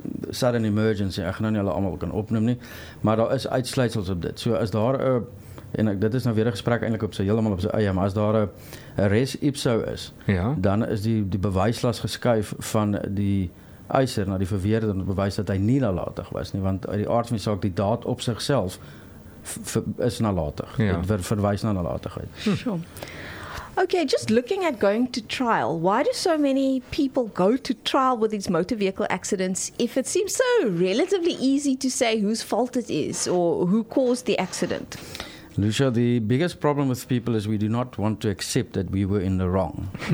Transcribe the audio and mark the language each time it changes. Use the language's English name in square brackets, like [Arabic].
[Afrikaans] Sudden emergency, ek gaan nou nie hulle allemaal kan opnoem nie, maar daar is uitsluitsels op dit. So as daar, en dit is nou weer een gesprek eindelijk op sy, helemaal op sy eie, maar as daar een res ipso is, ja. Dan is die bewijslas geskuif van die eiser na die verweerder om bewys dat hy nie nalatig was nie, want uit die aard van die saak, die daad op sigself is nalatig. Ja. Het verwys na nalatigheid. [English] Okay, just looking at going to trial, why do so many people go to trial with these motor vehicle accidents if it seems so relatively easy to say whose fault it is or who caused the accident? Lucia, the biggest problem with people is we do not want to accept that we were in the wrong.